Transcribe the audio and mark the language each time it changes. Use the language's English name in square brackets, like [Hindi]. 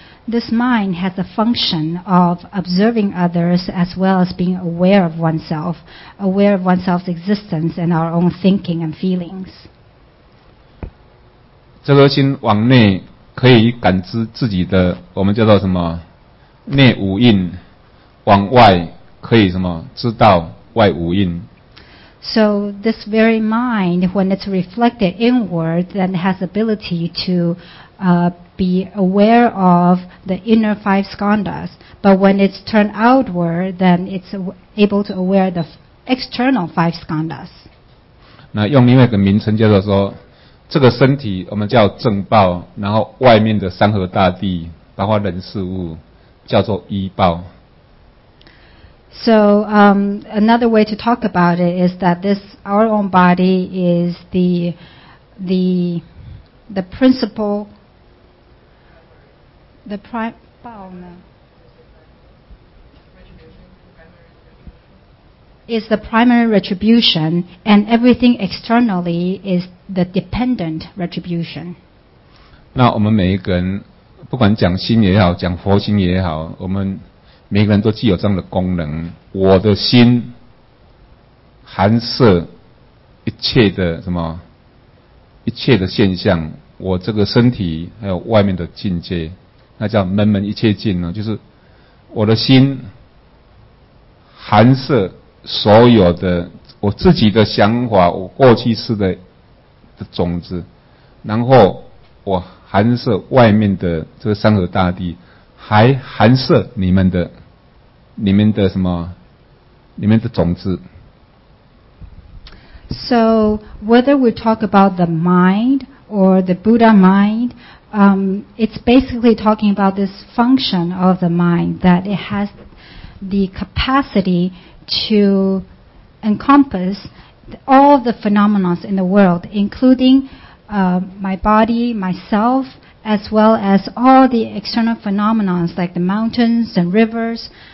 [English] This mind has the function of observing others as well as being aware of oneself, aware of oneself's existence and our own thinking and feelings. [Chinese] 这颗心往内可以感知自己的，我们叫做什么？内五蕴，往外可以什么？知道外五蕴。 [English] So this very mind, when it's reflected inward, then has ability to be aware of the inner five skandhas. But when it's turned outward, then it's able to aware the external five skandhas. [Chinese] 那用另外一个名称叫做说，这个身体我们叫正报，然后外面的山河大地，包括人事物，叫做依报。 [English] So, another way to talk about it is that this, our own body is the principle, the prime, is the primary retribution, and everything externally is the dependent retribution. [Chinese] 那我们每一个人，不管讲心也好，讲佛心也好，我们每个人都具有这样的功能，我的心含摄一切的什么一切的现象，我这个身体还有外面的境界，那叫门门一切境呢，就是我的心含摄所有的我自己的想法，我过去式的种子，然后我含摄外面的这个山河大地，还含摄你们的什么？你们的种子。 [English] So whether we talk about the mind or the Buddha mind, it's basically talking about this function of the mind that it has the capacity to encompass all the phenomena in the world, including my body, myself, as well as all the external phenomena like the mountains and rivers.